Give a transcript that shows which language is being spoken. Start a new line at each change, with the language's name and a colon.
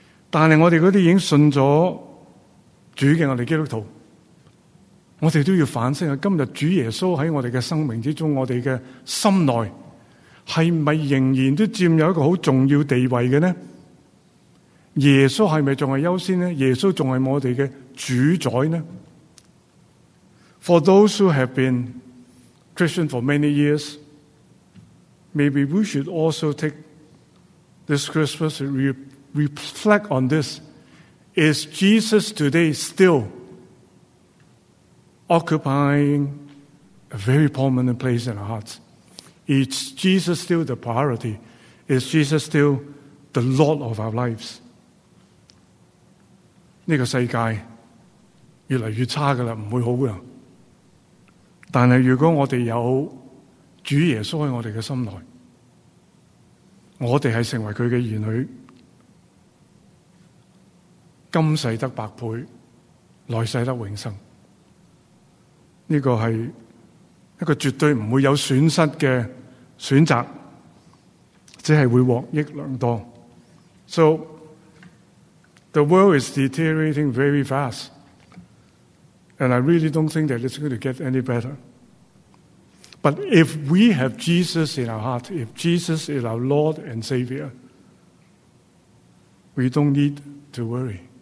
Chinese: 但是我们那些已经信了主的我们基督徒，我们都要反省，今天主耶稣在我们的生命之中，我们的心内是不是仍然都占有一个很重要地位的呢？耶稣是不是还是优先呢？耶稣还是我们的主宰呢？
English: For those who have been Christian for many years, maybe we should also take this Christmas to reflect on this. Is Jesus today still occupying a very prominent place in our hearts? Is Jesus still the priority? Is Jesus still the Lord of our lives?
Chinese: 这个世界越来越差的了，不会好的。但是如果我们有主耶稣在我们的心内，我们是成为他的儿女，今世得百倍，来世得永生。这个是一个绝对不会有损失的选择，只是会获益良多。
English: So the world is deteriorating very fast, and I really don't think that it's going to get any better. But if we have Jesus in our heart, if Jesus is our Lord and Savior, we don't need to worry.